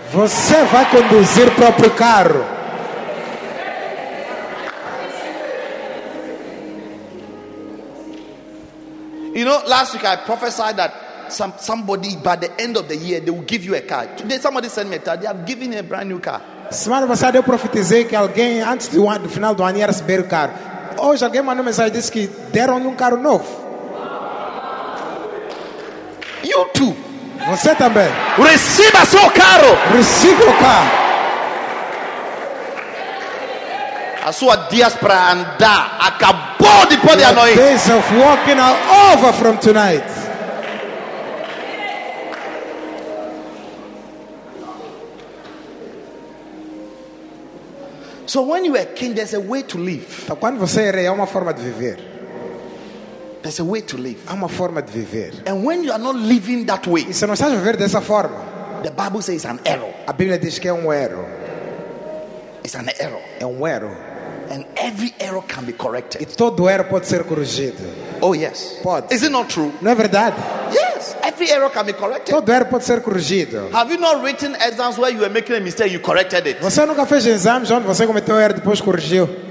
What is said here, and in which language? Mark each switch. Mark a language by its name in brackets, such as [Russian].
[Portuguese] Você vai conduzir o próprio carro. [English] You know, last week I prophesied that somebody by the end of the year they will give you a car. Today somebody sent me a car. They have given me a brand new car. [Portuguese] Semana passada eu profetizei que alguém antes do final do ano ia receber o carro. Hoje alguém mandou mensagem disse que deram um carro novo. [English] You too. [Portuguese] Você também. Receba seu carro. Receba o carro. A sua dias para andar acabou depois de anoite. [English] The days of walking are over from tonight. So when you are king, there's a way to live. [Portuguese] Então, quando você é rei, há uma forma de viver. [English] There's a way to live. [Portuguese] Há uma forma de viver. [English] And when you are not living that way, [Portuguese] e se não estás a viver dessa forma, [English] the Bible says it's an error. [Portuguese] A Bíblia diz que é erro. [English] It's an error. [Portuguese] É erro. [English] And every error can be corrected. [Portuguese] E todo erro pode ser corrigido. [English] Oh yes. [Portuguese] Pode. [English] Is it not true? [Portuguese] Não é verdade? [English] Yes. Every Every error can be corrected. [Portuguese] Todo erro pode ser corrigido. [English] Have you not written exams where you were making a mistake, you corrected it? [Portuguese] Você nunca fez exames onde você cometeu erro depois corrigiu?